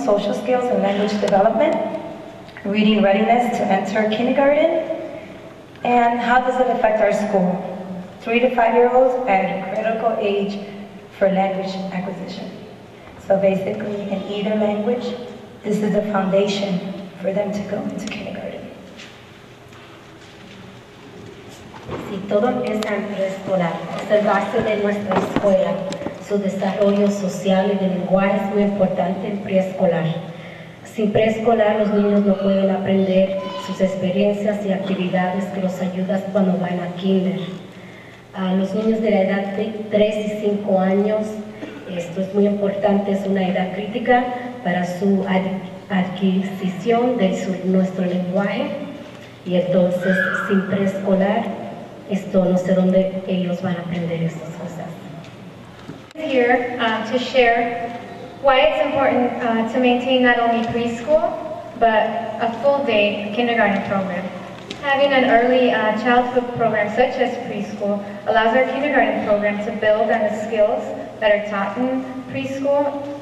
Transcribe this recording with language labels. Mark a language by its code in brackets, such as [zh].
[en] Social skills and language development, reading readiness to enter kindergarten, and how does it affect our school? 3 to 5 year olds at a critical age for language acquisition. So basically, in either language, this is the foundation for them to go into kindergarten. [es] Si todo empieza en preescolar, es el base de nuestra escuela. Su desarrollo social y de lenguaje es muy importante en preescolar. Sin preescolar, los niños no pueden aprender sus experiencias y actividades que los ayudan cuando van a kinder. Los niños de la edad de 3 y 5 años, esto es muy importante, es una edad crítica para su adquisición de nuestro lenguaje. Y entonces, sin preescolar, esto no sé dónde ellos van a aprender estas cosas. [en] Here to share why it's important to maintain not only preschool, but a full day kindergarten program. Having an early childhood program such as preschool allows our kindergarten program to build on the skills that are taught in preschool.